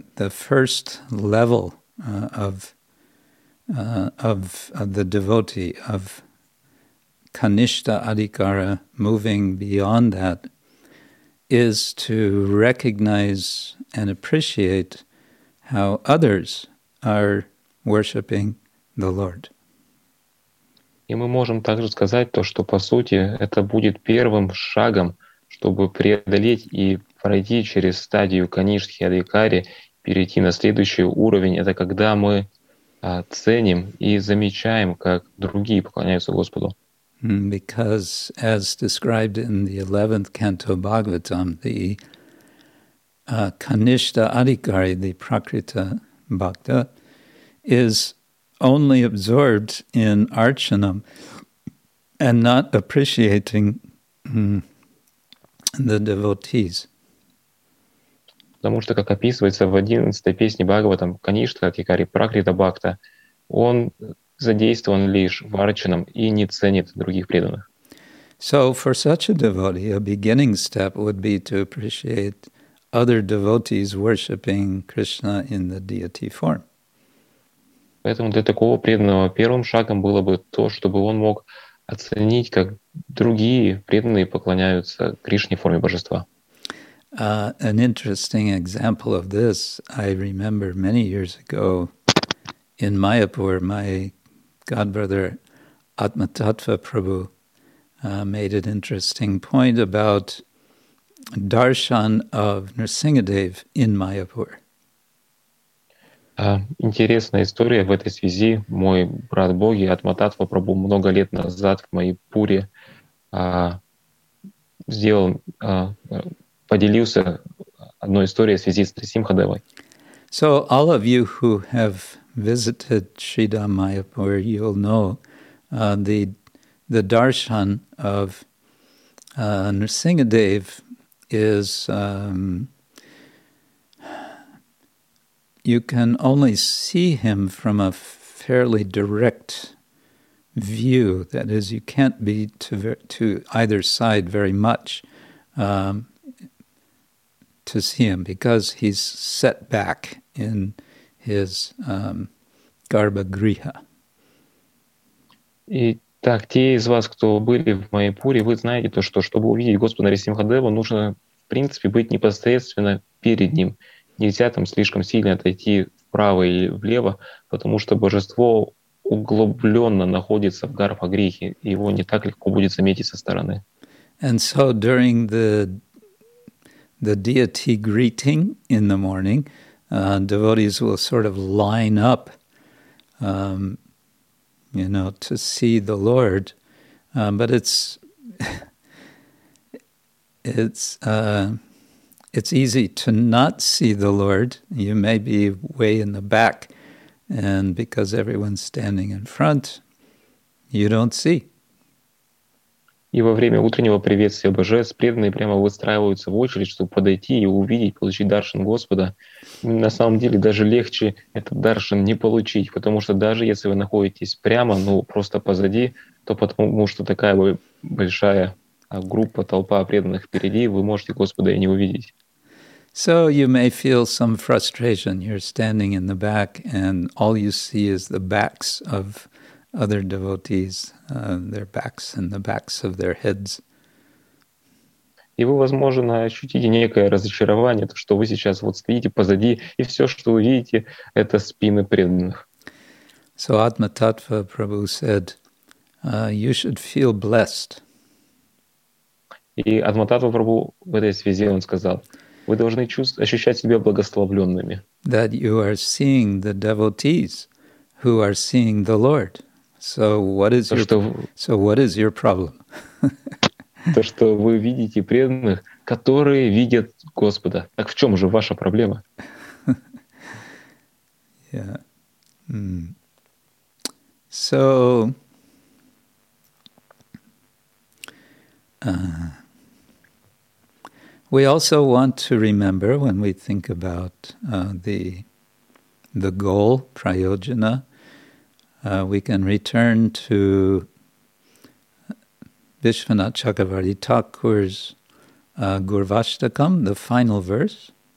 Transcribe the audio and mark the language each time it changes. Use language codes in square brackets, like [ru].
[en] first level of the devotee, of Kanishta Adhikara, moving beyond that, is to recognize and appreciate how others are worshiping the Lord. [ru] И мы можем также сказать то, что по сути это будет первым шагом, чтобы преодолеть и пройти через стадию Канишхи Адхикари, перейти на следующий уровень. Это когда мы ценим и замечаем, как другие поклоняются Господу. [en] Because as described in the 11th canto of Bhagavatam, the Kanishta Adhikari, the Prakrita Bhakta, is only absorbed in archanam and not appreciating the devotees. [ru] Потому что, как описывается в 11-й песне Бхагаватам, Каништа Адхикари Пракрита Бхакта, он задействован лишь в арчанам и не ценит других преданных. [en] So for such a devotee, a beginning step would be to appreciate other devotees worshipping Krishna in the deity form. [ru] Поэтому для такого преданного первым шагом было бы то, чтобы он мог оценить, как другие преданные поклоняются Кришне в форме божества. [en] An interesting example of this I remember many years ago in Mayapur, my godbrother Atmatattva Prabhu made an interesting point about darshan of Nrsingadev in Mayapur. [ru] Интересная история в этой связи. Мой брат Боги Атматтатва Прабху много лет назад в Майпуре поделился одной историей в связи с Нрсимхадевой. [en] So all of you who have visited Shridham Mayapur, you'll know the darshan of Nrsingadev is you can only see him from a fairly direct view. That is, you can't be to either side very much to see him because he's set back in his garbhagriha. [ru] Итак, те из вас, кто были в Майпуре, вы знаете то, что чтобы увидеть Господа Нарисимхадева, нужно, в принципе, быть непосредственно перед ним. Нельзя там слишком сильно отойти вправо или влево, потому что божество углубленно находится в гарбхагрихе, и его не так легко будет заметить со стороны. [en] And so during the deity greeting in the morning, devotees will sort of line up, you know, to see the Lord. But it's easy to not see the Lord. You may be way in the back, and because everyone's standing in front, you don't see. [ru] И во время утреннего приветствия божеств преданные прямо выстраиваются в очередь, чтобы подойти и увидеть, получить даршан Господа. На самом деле даже легче этот даршан не получить, потому что даже если вы находитесь прямо, ну просто позади, то потому что такая большая группа, толпа преданных впереди, вы можете Господа и не увидеть. [en] So you may feel some frustration. You're standing in the back, and all you see is the backs of other devotees, their backs and the backs of their heads. [ru] И вы, возможно, ощутите некое разочарование, то, что вы сейчас вот стоите позади, и все, что вы видите, это спины преданных. [en] So Atma Tattva Prabhu said, you should feel blessed. [ru] И Атма Таттва Прабху в этой связи он сказал, вы должны ощущать себя благословленными. [en] That you are seeing the devotees who are seeing the Lord. So what is your problem? [ru] То, что вы видите преданных, которые видят Господа. Так в чем же ваша проблема? Yeah. Mm. [en] So, we also want to remember when we think about the goal, prayojana, we can return to Vishwanath Chakravarti Thakur's Gurvashtakam, the final verse.